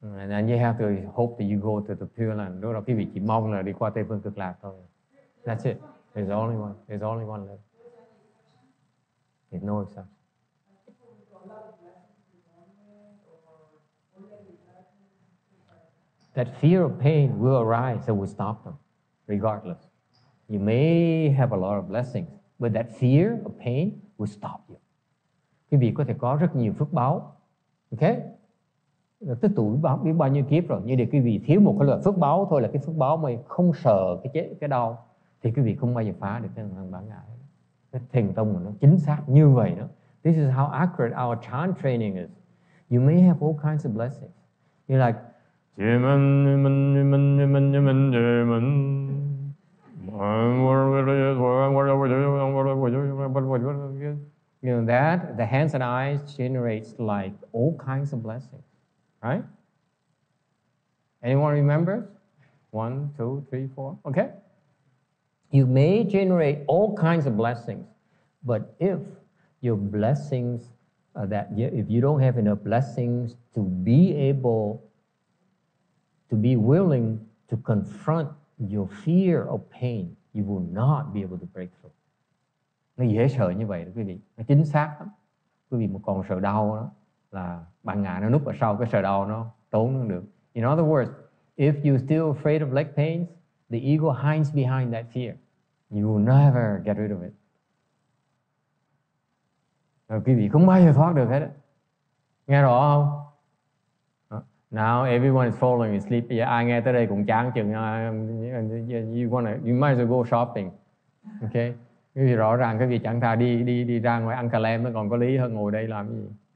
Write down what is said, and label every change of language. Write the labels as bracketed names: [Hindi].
[English] And you have to hope that you go to the Pure Land. [Vietnamese] Đó là quý vị chỉ mong là đi qua Tây Phương Cực Lạc thôi. [English] That's it. There's only one left. There's no exception. That fear of pain will arise and will stop them, regardless. You may have a lot of blessings, but that fear of pain will stop you. [Vietnamese] Quý vị có thể có rất nhiều phước báo. Okay? Tích tụ biết bao nhiêu kiếp rồi. Nhưng để quý vị thiếu một cái loại phước báo thôi, là cái phước báo mà không sợ cái chết, cái đau, thì quý vị không bao giờ phá được cái thằng bản ngã. Cái thiền tông của nó chính xác như vậy đó. [English] This is how accurate our chant training is. You may have all kinds of blessings. You're like, you know that the hands and eyes generates like all kinds of blessings, right? Anyone remember? 1, 2, 3, 4. Okay. You may generate all kinds of blessings, but if your blessings are that if you don't have enough blessings to be able to be willing to confront your fear of pain, you will not be able to break through. [Vietnamese] Nó dễ sợ như vậy đó quý vị. Nó chính xác lắm. Quý vị mà còn sợ đau đó, là bạn ngã nó núp ở sau cái sợ đau nó trốn không được. [English] In other words, if you're still afraid of leg pains, the ego hides behind that fear. You will never get rid of it. [Vietnamese] Rồi quý vị không bao giờ thoát được hết á. Nghe rõ không? [English] Now everyone is falling asleep. Yeah, I [Vietnamese] nghe tới đây cũng chán chừng. [English] You might as well go shopping. Okay? [Vietnamese] Quý vị rõ ràng quý vị chẳng thà đi ra ngoài ăn cà lem nó còn có lý hơn ngồi đây làm gì.